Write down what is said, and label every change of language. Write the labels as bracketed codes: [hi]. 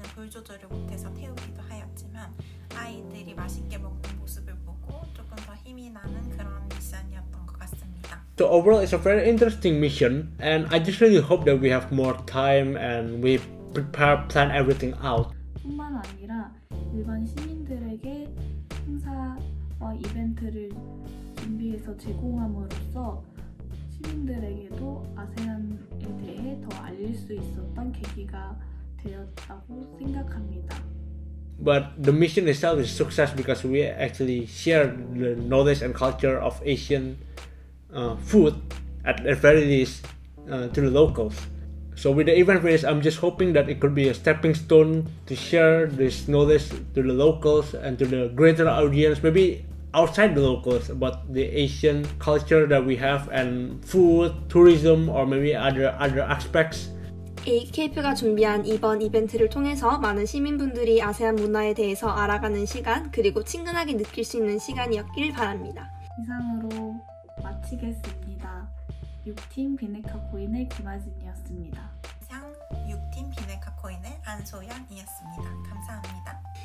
[ko] 조절을 못해서 태우기도 하였지만 아이들이 맛있게 먹는 모습을 보고 조금 더 힘이 나는 그런 미션이었던 것 같습니다. [en] So overall, it's a very interesting mission, and I just really hope that we have more time and we prepare, plan everything out. [ko] 뿐만 아니라 일반 시민들에게 행사 이벤트를 준비해서 제공함으로써 시민들에게도 아세안에 대해 더 알릴 수 있었던 계기가 [en] But the mission itself is success because we actually share the knowledge and culture of Asian food at the very least to the locals. So with the event finished, I'm just hoping that it could be a stepping stone to share this knowledge to the locals and to the greater audience, maybe outside the locals, about the Asian culture that we have and food, tourism, or maybe other aspects. [ko] AKF가 준비한 이번 이벤트를 통해서 많은 시민분들이 아세안 문화에 대해서 알아가는 시간, 그리고 친근하게 느낄 수 있는 시간이었길 바랍니다. 이상으로 마치겠습니다. 6팀 비네카 코인의 김아진이었습니다. 이상 6팀 비네카 코인의 안소연이었습니다. 감사합니다.